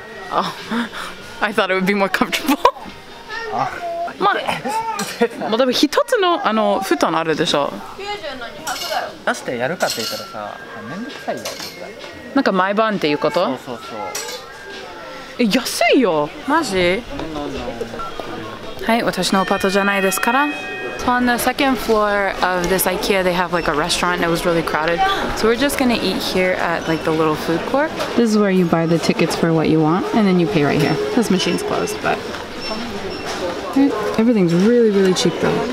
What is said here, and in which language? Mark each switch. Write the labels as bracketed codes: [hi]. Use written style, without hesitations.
[en] Oh, I thought it would be more comfortable. [ja] まあ、まあでも一つのあの布団あるでしょ。出してやるかって言ったらさ、めんどくさいよ。なんか毎晩っていうこと？そうそうそう。え、安いよ。マジ？はい、私のアパートじゃないですから。 [en] So on the second floor of this IKEA, they have like a restaurant and it was really crowded. So we're just gonna eat here at like the little food court. This is where you buy the tickets for what you want and then you pay right here. This machine's closed, but everything's really, really cheap though.